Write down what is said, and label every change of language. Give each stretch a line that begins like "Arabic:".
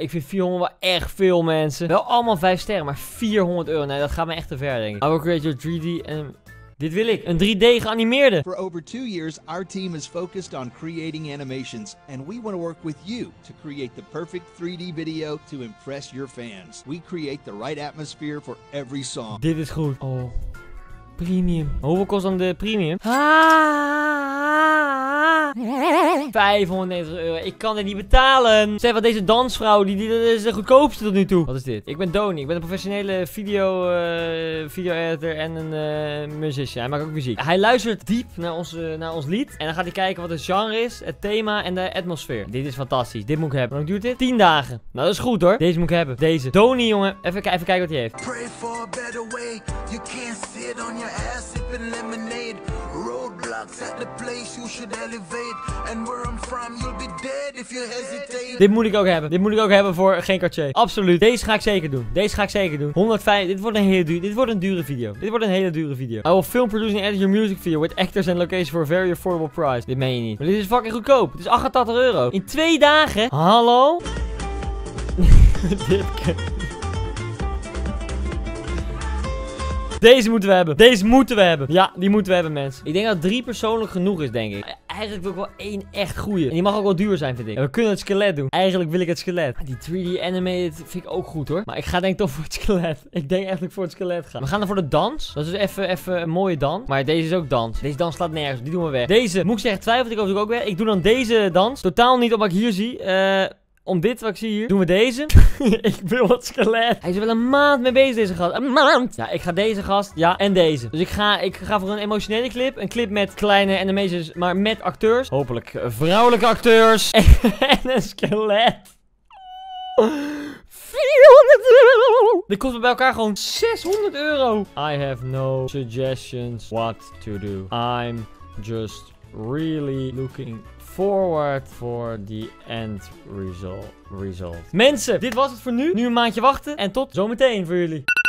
Dutch: Ik vind 400 wel echt veel mensen. Wel allemaal 5 sterren, maar 400 euro. Nee, dat gaat me echt te ver denk ik.
English: I will create your 3D and...
Dutch: Dit wil ik. Een 3D geanimeerde.
English: For over 2 years, our team is focused on creating animations. And we want to work with you to create the perfect 3D video to impress your fans. We create the right atmosphere for every song.
Dutch: Dit is goed. Oh. Premium. Hoeveel kost dan de premium? 590 euro. Ik kan dit niet betalen. Zeg wat, deze dansvrouw, dat is de goedkoopste tot nu toe. Wat is dit? Ik ben Donny. Ik ben een professionele video editor en een musician. Hij maakt ook muziek. Hij luistert diep naar ons lied. En dan gaat hij kijken wat het genre is, het thema en de atmosfeer. Dit is fantastisch. Dit moet ik hebben. Hoe lang duurt dit? 10 dagen. Nou, dat is goed hoor. Deze moet ik hebben. Deze. Donny, jongen. Even kijken wat hij heeft.
English: Pray for a better way. You can't sit on your ass sipping lemonade. Roadblocks at the place you should elevate. And where I'm from, you'll be dead if you hesitate.
Dutch: Dit moet ik ook hebben. Dit moet ik ook hebben voor Geen Cartier. Absoluut. Deze ga ik zeker doen. 105. Dit wordt een hele duur. Dit wordt een dure video.
English: I will film, produce and edit your music video with actors and location for a very affordable price.
Dutch: Dit meen je niet. Maar dit is fucking goedkoop. Dit is 88 euro. In 2 dagen. Hallo? Dipke. Deze moeten we hebben. Ja, die moeten we hebben, mensen. Ik denk dat 3 persoonlijk genoeg is, denk ik. Eigenlijk wil ik wel 1 echt goeie. En die mag ook wel duur zijn, vind ik. Ja, we kunnen het skelet doen. Eigenlijk wil ik het skelet. Die 3D animated vind ik ook goed, hoor. Maar ik ga denk ik toch voor het skelet. Ik denk echt dat ik voor het skelet ga. We gaan dan voor de dans. Dat is dus even een mooie dans. Maar deze is ook dans. Deze dans slaat nergens. Die doen we weg. Deze, moet ik zeggen, twijfel ik over ook weg. Ik doe dan deze dans. Totaal niet op wat ik hier zie. Om dit wat ik zie hier, doen we deze. Ik wil wat skelet. Hij is er wel een maand mee bezig, deze gast. Een maand. Ja, ik ga deze gast. Ja, en deze. Dus ik ga voor een emotionele clip. Een clip met kleine animations, maar met acteurs. Hopelijk vrouwelijke acteurs. En een skelet. 400 euro. Dit kost me bij elkaar gewoon 600 euro.
English: I have no suggestions what to do. I'm just really looking forward for the end result.
Dutch: Mensen, dit was het voor nu. Nu een maandje wachten. En tot zometeen voor jullie.